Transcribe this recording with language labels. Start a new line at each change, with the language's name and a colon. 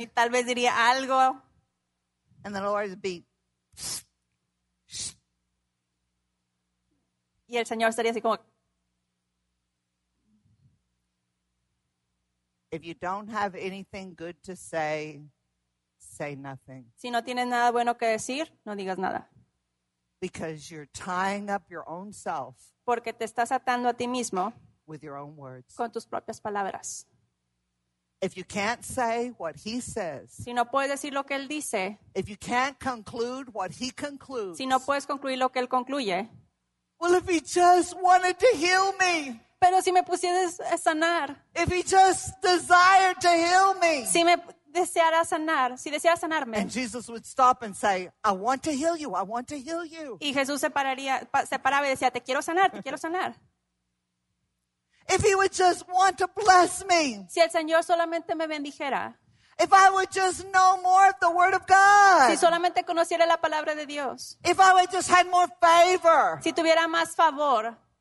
Spanish: Y tal vez diría algo.
English: And the Lord would be.
Spanish: Y el Señor estaría así como.
English: If you don't have anything good to say. Say nothing.
Spanish: Si no tienes nada bueno que decir, no digas nada.
English: Because you're tying up your own self.
Spanish: Porque te estás atando a ti mismo.
English: With your own words.
Spanish: Con tus propias palabras.
English: If you can't say what he says.
Spanish: Si no puedes decir lo que él dice.
English: If you can't conclude what he concludes.
Spanish: Si no puedes concluir lo que él concluye.
English: Well, if he just wanted to heal me.
Spanish: Pero si me pusieras a sanar.
English: If he just desired to heal me.
Spanish: Si me deseara sanar, si deseara sanarme.
English: And Jesus would stop and say, I want to heal you, I want to heal you.
Spanish: Y Jesús se paraba y decía, te quiero sanar, te quiero sanar.
English: If he would just want to bless me.
Spanish: Si el Señor solamente me bendijera.
English: If I would just know more of the word of God.
Spanish: Si solamente conociera la palabra de Dios.
English: If I would just had more favor.
Spanish: Si tuviera más favor.